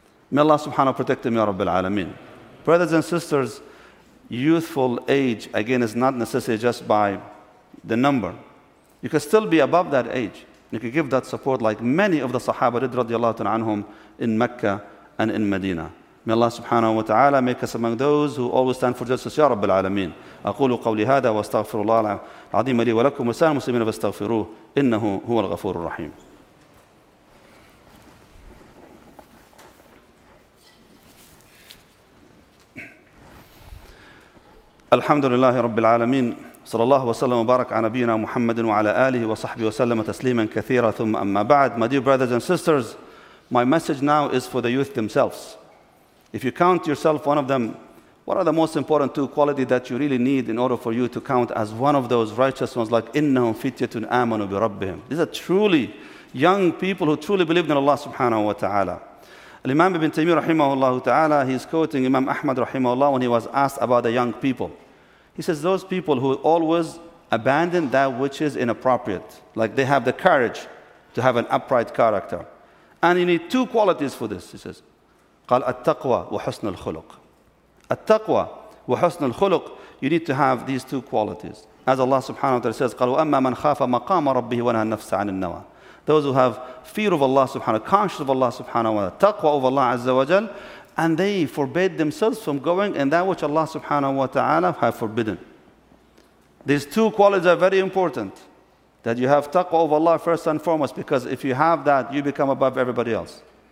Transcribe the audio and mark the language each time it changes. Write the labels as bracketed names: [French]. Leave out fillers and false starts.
[English] May Allah subhanahu protect them, ya Rabbil Alameen. Brothers and sisters, youthful age, again, is not necessary just by the number. You can still be above that age. You can give that support like many of the Sahaba did, radiallahu ta'ala anhum, in Mecca and in Medina. May Allah subhanahu wa ta'ala make us among those who always stand for justice, ya Rabbil Alameen. [Arabic] أقول قولي هذا واستغفر الله العظيم لي ولكم وسائر المسلمين فاستغفروه إنه هو الغفور الرحيم. الحمد لله رب العالمين صلى الله وسلم وبارك على نبينا محمد وعلى آله وصحبه وسلم تسليما كثيرا ثم أما بعد. [English] My dear brothers and sisters, my message now is for the youth themselves. If you count yourself one of them, what are the most important two qualities that you really need in order for you to count as one of those righteous ones, like [Arabic] إِنَّهُمْ فِتْيَةٌ آمَنُوا بِرَبِّهِمْ. [English] These are truly young people who truly believed in Allah subhanahu wa ta'ala. Imam Ibn Taymiyyah rahimahullahu ta'ala, he is quoting Imam Ahmad rahimahullah when he was asked about the young people. He says, those people who always abandon that which is inappropriate, like they have the courage to have an upright character. And you need two qualities for this, he says. [Arabic] قال التقوى وحسن الخلق. التقوى وحسن الخلق. [English] You need to have these two qualities. As Allah subhanahu wa ta'ala says, [Arabic] قال وَأَمَّا مَنْ خَافَ مَقَامَ رَبِّهِ وَنَهَى النَّفْسَ عَنِ النَّوَى. [English] Those who have fear of Allah subhanahu wa ta'ala, conscious of Allah subhanahu wa ta'ala, taqwa of Allah azza wa jal, and they forbid themselves from going in that which Allah subhanahu wa ta'ala have forbidden. These two qualities are very important, that you have taqwa of Allah first and foremost, because if you have that, you become above everybody else.